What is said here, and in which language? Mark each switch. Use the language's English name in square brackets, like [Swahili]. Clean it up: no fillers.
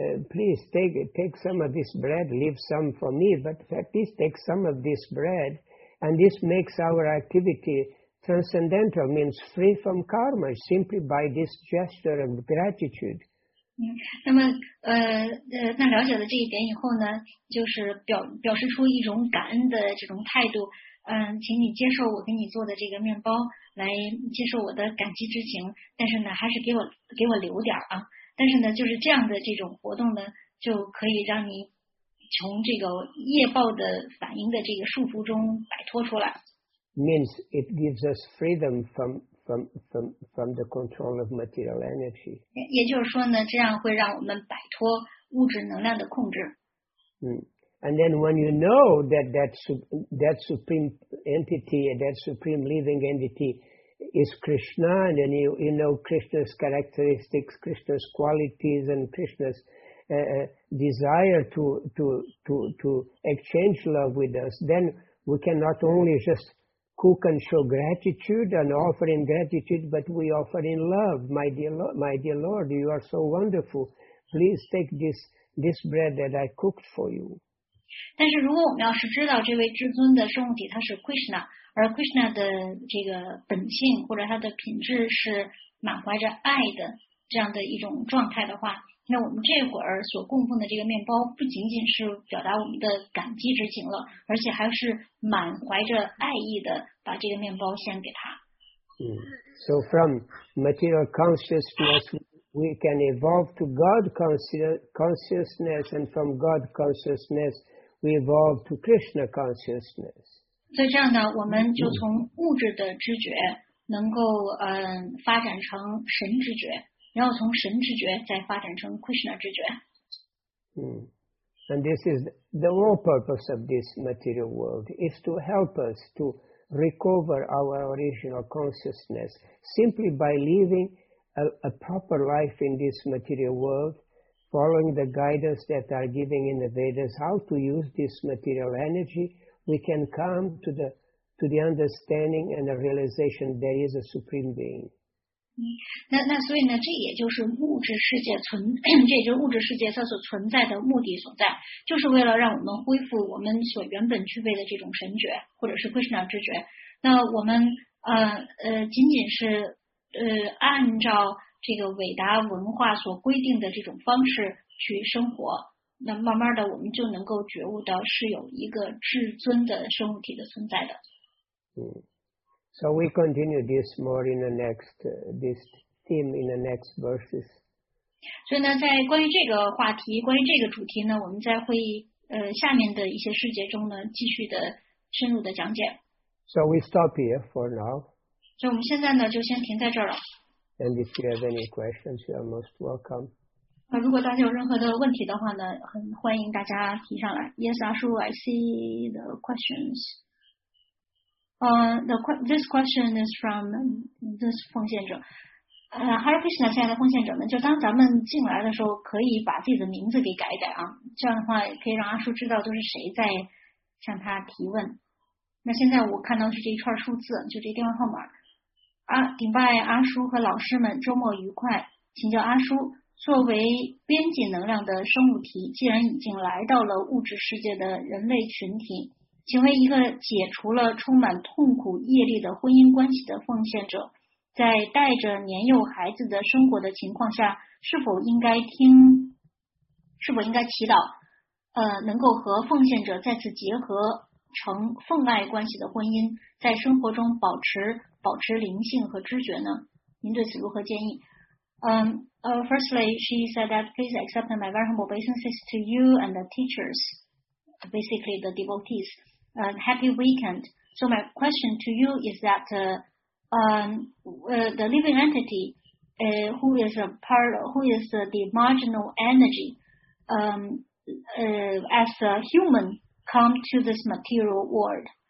[English] Please take some of this bread, leave some for me, but at least take some of this bread, and this makes our activity transcendental, means free from karma, simply by this gesture of gratitude. [Chinese] 那么那了解了这一点以后呢，就是表示出一种感恩的这种态度，请你接受我给你做的这个面包，来接受我的感激之情，但是呢还是给我留点啊，但是呢就是这样的这种活动呢，就可以让你从这个业报的反应的这个束缚中摆脱出来。 [English] Means it gives us freedom from the control of material energy. [Chinese] 也就是说呢，这样会让我们摆脱物质能量的控制。 [English] And then when you know that supreme entity, that supreme living entity is Krishna, and then you know Krishna's characteristics, Krishna's qualities, and Krishna's desire to exchange love with us, then we can not only just cook and show gratitude and offer in gratitude, but we offer in love. My dear Lord, you are so wonderful. Please take this bread that I cooked for you. [Chinese] 但是如果我们要是知道这位至尊的生物体它是 Krishna， 而 Krishna 的这个本性或者它的品质是满怀着爱的这样的一种状态的话，那我们这会儿所供奉的这个面包不仅仅是表达我们的感激之情了，而且还是满怀着爱意的把这个面包献给他。 [English] So from material consciousness we can evolve to God consciousness and from God consciousness we evolve to Krishna consciousness. [Chinese] 所以这样呢，我们就从物质的知觉能够发展成神知觉，然后从神知觉再发展成 Krishna 知觉。 [English] And this is the whole purpose of this material world is to help us to recover our original consciousness simply by living a proper life in this material world, following the guidance that are giving in the Vedas, how to use this material energy, we can come to the understanding and the realization there is a supreme being. [Chinese] 那所以呢，这也就是物质世界存，这也就是物质世界它所存在的目的所在，就是为了让我们恢复我们所原本具备的这种神觉，或者是 Krishna 知觉。那我们仅仅是按照这个伟达文化所规定的这种方式去生活，那慢慢的我们就能够觉悟到是有一个至尊的生物体的存在的。 [English] So we continue this more in the next, this theme in the next verses. [Chinese] 所以呢，在关于这个话题，关于这个主题呢，我们在会下面的一些世界中呢，继续的深入的讲解。 [English] So we stop here for now. [Chinese] 所以我们现在呢，就先停在这儿了。 [English] And if you have any questions, you are most welcome. [Chinese] 如果大家有任何的问题的话呢，很欢迎大家提上来。 [English] Yes, Ashu, I see the questions. This question is from this 奉献者。 [Chinese] Hare Krishna, 亲爱的奉献者们，就当咱们进来的时候，可以把自己的名字给改改啊，这样的话可以让阿叔知道都是谁在向他提问。那现在我看到是这一串数字，就这电话号码。顶拜阿叔和老师们，周末愉快。请教阿叔，作为边际能量的生物体，既然已经来到了物质世界的人类群体，请为一个解除了充满痛苦业力的婚姻关系的奉献者，在带着年幼孩子的生活的情况下，是否应该祈祷能够和奉献者再次结合成奉爱关系的婚姻，在生活中保持灵性和知觉呢？您对此如何建议？ [English] Firstly, she said that please accept my very humble obeisances to you and the teachers, basically the devotees. Happy weekend. So my question to you is that the living entity who is the marginal energy as a human come to this material world.